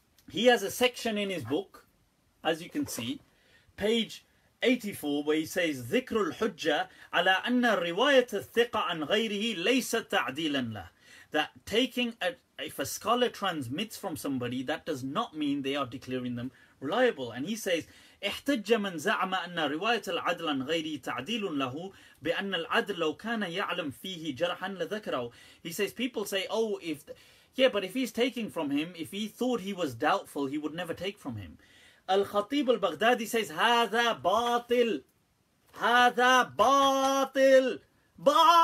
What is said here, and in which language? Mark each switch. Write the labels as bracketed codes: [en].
[en] He has a section in his book, as you can see, page 84, where he says, [ar] ذِكْرُ الْحُجَّةِ عَلَىٰ أَنَّ الرِّوَايَةَ الثِّقَةَ عَنْ غَيْرِهِ لَيْسَ تَعْدِيلًا لَهِ. [en] that taking a, if a scholar transmits from somebody, that does not mean they are declaring them reliable. And he says, [ar] احتج من زعم أن رواية العدل عن غيري تعديل له بأن العدل لو كان يعلم فيه جرحا لذكره. [en] He says, people say, oh, if, yeah, but if he's taking from him, if he thought he was doubtful, he would never take from him. [ar] الخطيب البغدادي [en] says, [ar] هذا باطل. هذا باطل. باطل.